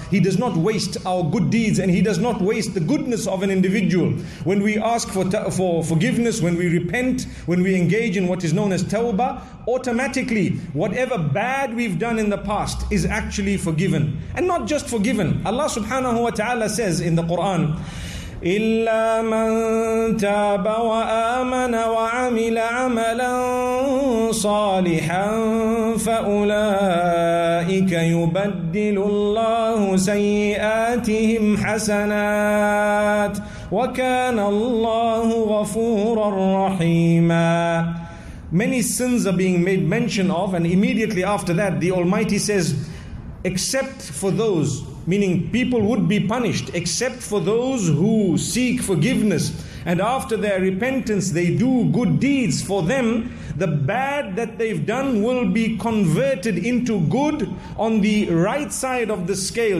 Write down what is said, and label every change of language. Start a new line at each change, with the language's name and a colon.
English: He does not waste our good deeds, and He does not waste the goodness of an individual. When we ask for forgiveness, when we repent, when we engage in what is known as tawbah, automatically whatever bad we've done in the past is actually forgiven. And not just forgiven. Allah subhanahu wa ta'ala says in the Quran,
Arabic: إلا من تاب وآمن وعمل عملا صالحا فأولئك يبدل الله سيئاتهم حسنات وكان الله غفورا رحيما.
English: Many sins are being made mention of, and immediately after that the Almighty says, except for those, meaning people would be punished, except for those who seek forgiveness. And after their repentance, they do good deeds. For them, the bad that they've done will be converted into good on the right side of the scale.